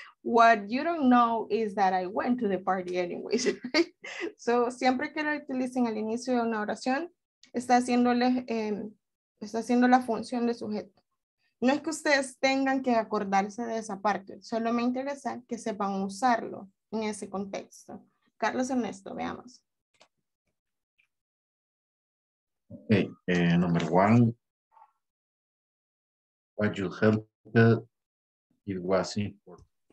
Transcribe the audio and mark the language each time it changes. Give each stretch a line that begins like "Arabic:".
English: What you don't know is that I went to the party anyways, right?
Spanish: So, siempre que lo utilicen al inicio de una oración, está haciendo la función de sujeto. No es que ustedes tengan que acordarse de esa parte, solo me interesa que sepan usarlo en ese contexto. Carlos Ernesto, veamos.
English: Okay, number one, what you helped, it was important.